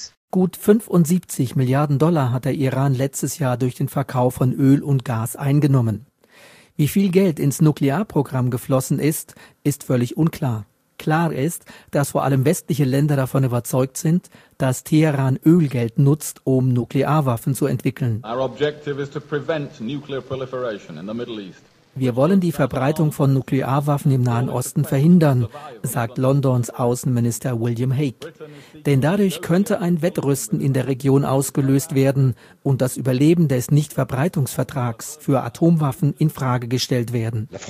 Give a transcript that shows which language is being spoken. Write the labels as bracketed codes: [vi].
[de] Gut 75 Milliarden Dollar hat der Iran letztes Jahr durch den Verkauf von Öl und Gas eingenommen. Wie viel Geld ins Nuklearprogramm geflossen ist, ist völlig unklar. Klar ist, dass vor allem westliche Länder davon überzeugt sind, dass Teheran Ölgeld nutzt, um Nuklearwaffen zu entwickeln. [en] Our objective is to prevent nuclear proliferation in the Middle East. [de] Wir wollen die Verbreitung von Nuklearwaffen im Nahen Osten verhindern, sagt Londons Außenminister William Hague. Denn dadurch könnte ein Wettrüsten in der Region ausgelöst werden und das Überleben des Nichtverbreitungsvertrags für Atomwaffen in Frage gestellt werden.